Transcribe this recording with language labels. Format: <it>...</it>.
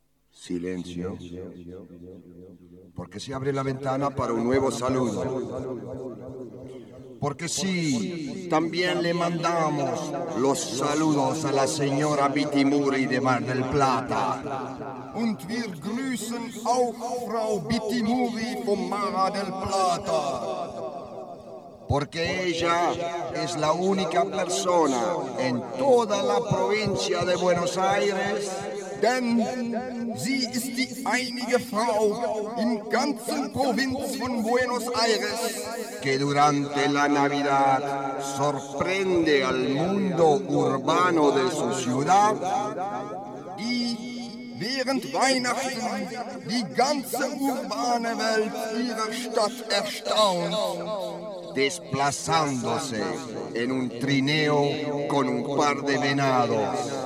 <es>Silencio, porque se abre la ventana para un nuevo saludo. Porque sí, también le mandamos los saludos a la señora Vitimuri de Mar del Plata.</es> <de>und wir grüßen auch Frau Bittimuri vom Mar del Plata.</de> <es>Porque ella es la única persona en toda la provincia de Buenos Aires.</es> <de>Denn sie ist die einzige Frau im ganzen Provinz von Buenos Aires,</de> <es>que durante la Navidad sorprende al mundo urbano de su ciudad,</es> <de>die während Weihnachten die ganze urbane Welt ihrer Stadt erstaunt,</de> <es>desplazándose en un trineo con un par de venados.</es>